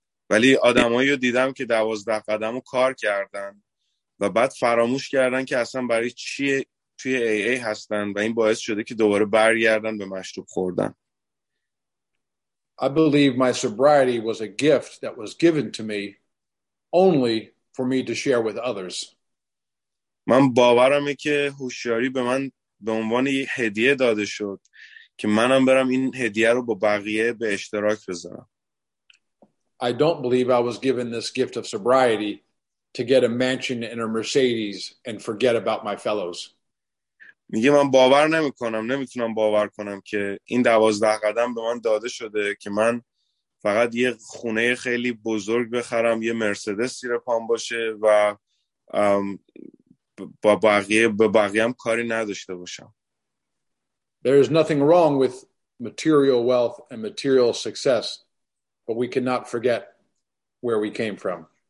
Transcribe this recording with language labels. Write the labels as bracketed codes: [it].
[fa] ولی آدمایی رو دیدم که 12 قدمو کار کردن و بعد فراموش کردن که اصلا برای چیه توی AA هستن و این باعث شده که دوباره برگردن به مشروب خوردن. [en] I believe my sobriety was a gift that was given to me only for me to share with others. [fa] من باورمه که هوشیاری به من به عنوان یه هدیه داده شد که منم برم این هدیه رو با بقیه به اشتراک بذارم. [en] I don't believe I was given this gift of sobriety to get a mansion and a Mercedes and forget about my fellows. [fa] میگه من باور نمیکنم، نمیتونم باور کنم که این 12 قدم به من داده شده که من فقط یه خونه خیلی بزرگ بخرم، یه مرسدس زیر پام باشه و با بقیه هم کاری نداشته باشم. [en] There is nothing wrong with material wealth and material success, but we cannot forget where we came from.